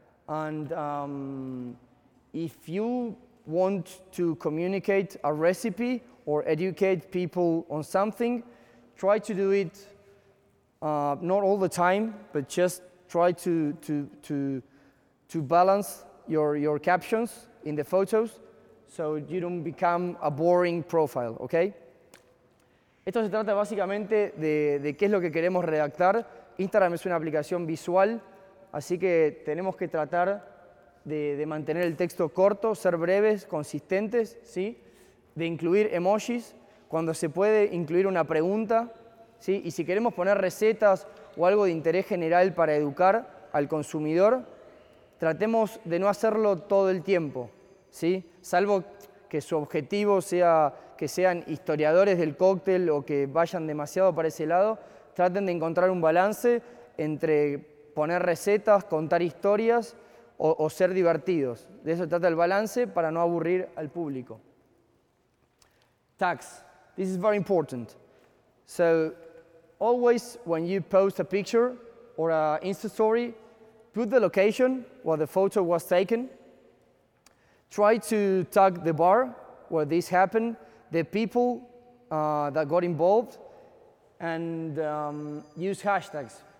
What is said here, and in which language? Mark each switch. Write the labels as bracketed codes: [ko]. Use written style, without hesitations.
[en] And if you want to communicate a recipe or educate people on something, try to do it not all the time, but just try to balance your captions in the photos so you don't become a boring profile, okay? [es] Esto se trata básicamente de qué es lo que queremos redactar. Instagram es una aplicación visual, así que tenemos que tratar de mantener el texto corto, ser breves, consistentes, ¿sí? De incluir emojis, cuando se puede incluir una pregunta, ¿sí? Y si queremos poner recetas o algo de interés general para educar al consumidor, tratemos de no hacerlo todo el tiempo, ¿sí? Salvo que su objetivo sea que sean historiadores del cóctel o que vayan demasiado para ese lado, traten de encontrar un balance entre poner recetas, contar historias o ser divertidos. De eso trata el balance para no aburrir al público. [en] Tags. This is very important. So, always when you post a picture or an Insta story, put the location where the photo was taken. Try to tag the bar where this happened, the people that got involved, and use hashtags.